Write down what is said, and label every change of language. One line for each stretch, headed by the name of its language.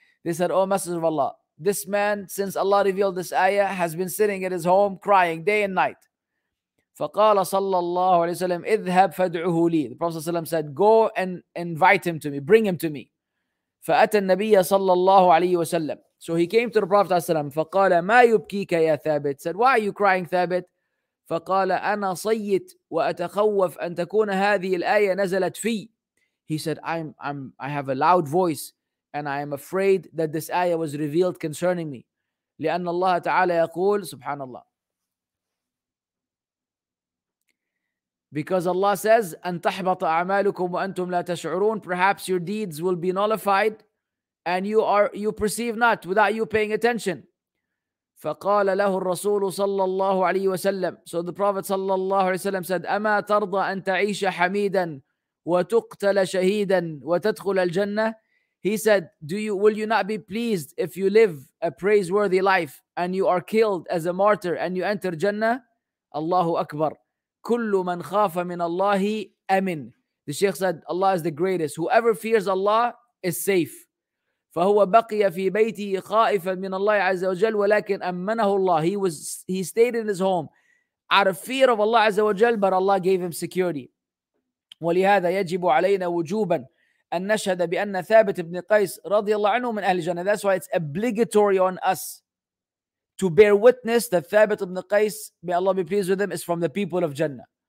English: They said, oh messenger of Allah, this man, since Allah revealed this ayah, has been sitting at his home crying day and night.
Arabic: فقال صلى الله عليه وسلم اذهب فادعه لي.
English: The Prophet صلى الله عليه وسلم said, go and invite him to me, bring him to me.
Arabic: فأتى النبي صلى الله عليه وسلم. So he came to the Prophet صلى الله عليه وسلم. فقال ما يبكيك يا ثابت.
English: Said, why are you crying ثابت?
Arabic: فقال أنا صيت وأتخوف أن تكون هذه الآية نزلت في.
English: He said, I have a loud voice and I am afraid that this ayah was revealed concerning me.
Arabic: لأن الله تعالى يقول, سبحان الله. Because Allah says, أن تحبط أعمالكم وأنتم لا تشعرون.
English: Perhaps your deeds will be nullified and you perceive not without you paying attention.
Arabic: فقال له الرسول صلى الله عليه وسلم. So the Prophet صلى الله عليه وسلم said, أما ترضى أن تعيش حميدا وتقتل شهيدا وتدخل الجنة.
English: He said, will you not be pleased if you live a praiseworthy life and you are killed as a martyr and you enter Jannah?
Arabic: Allahu Akbar. كل من خاف من الله أمن.
English: The Sheikh said, Allah is the greatest. Whoever fears Allah is safe.
Arabic: فهو بقي في بيته خائفا من الله عز وجل ولكن أمنه الله.
English: He stayed in his home out of fear of Allah عز وجل, but Allah gave him security.
Arabic: ولهذا يجب علينا وجوبا أن نشهد بأن ثابت بن قيس رضي الله عنه من أهل الجنة.
English: That's why it's obligatory on us to bear witness that ثابت بن قيس, may Allah be pleased with him, is from the people of Jannah.